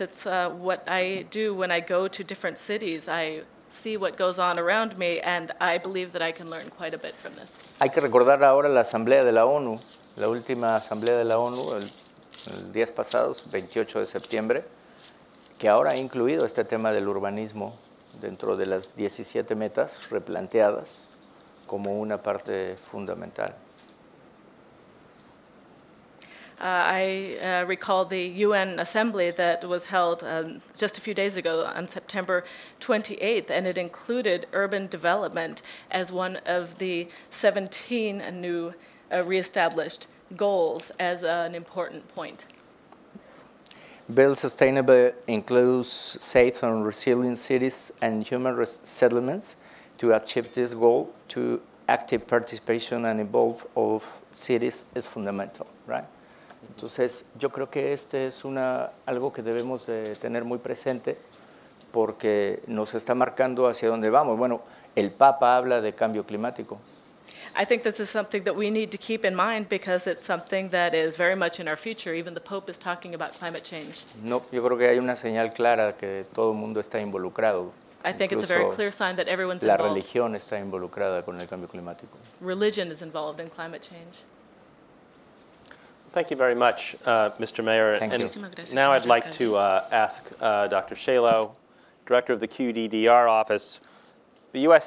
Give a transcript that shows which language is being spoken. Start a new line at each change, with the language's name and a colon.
English: It's what I do when I go to different cities. I see what goes on around me, and I believe that I can learn quite a bit from this.
Spanish: Hay que recordar ahora la Asamblea de la ONU, la última Asamblea de la ONU. El día pasado, 28 de septiembre, que ahora ha incluido este tema del urbanismo dentro de las 17 metas replanteadas como una parte fundamental.
English: I recall the UN Assembly that was held just a few days ago on September 28th, and it included urban development as one of the 17 new reestablished goals as an important point. Build sustainable includes safe and resilient cities and human settlements. To achieve this goal, to active participation and involve of cities is fundamental, right?
Spanish: Entonces, yo creo que este es una algo que debemos de tener muy presente porque nos está marcando hacia dónde vamos. Bueno, el Papa habla de cambio climático.
English: I think this is something that we need to keep in mind because it's something that is very much in our future. Even the Pope is talking about climate change.
Spanish: No, yo creo que hay una señal clara que todo el mundo está involucrado.
English: I think it's a very clear sign that everyone's involved.
Spanish: La religión está involucrada con el cambio climático.
English: Religion is involved in climate change. Thank you very much, Mr. Mayor. Thank you. Now I'd like to ask Dr. Shalo, director of the QDDR office, the U.S.